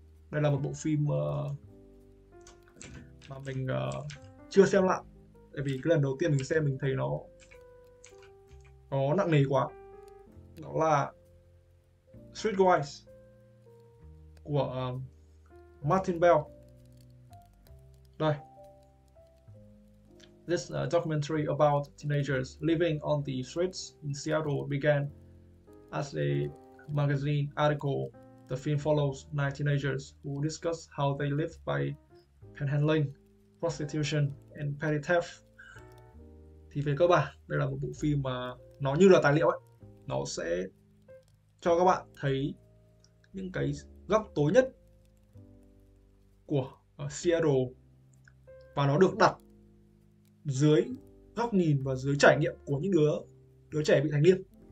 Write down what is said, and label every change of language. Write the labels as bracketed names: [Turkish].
[Vietnamese] Đây là một bộ phim mà mình chưa xem lại. Tại vì cái lần đầu tiên mình xem mình thấy nó nặng nề quá. Đó là Streetwise của Martin Bell. Đây. [English] This documentary about teenagers living on the streets in Seattle began as a magazine article. The film follows nine teenagers who discuss how they live by panhandling, prostitution and petty theft. [Vietnamese] Thì về cơ bản, đây là một bộ phim mà nó như là tài liệu ấy. Nó sẽ cho các bạn thấy những cái góc tối nhất của Seattle, và nó được đặt dưới góc nhìn và dưới trải nghiệm của những đứa đứa trẻ vị thành niên.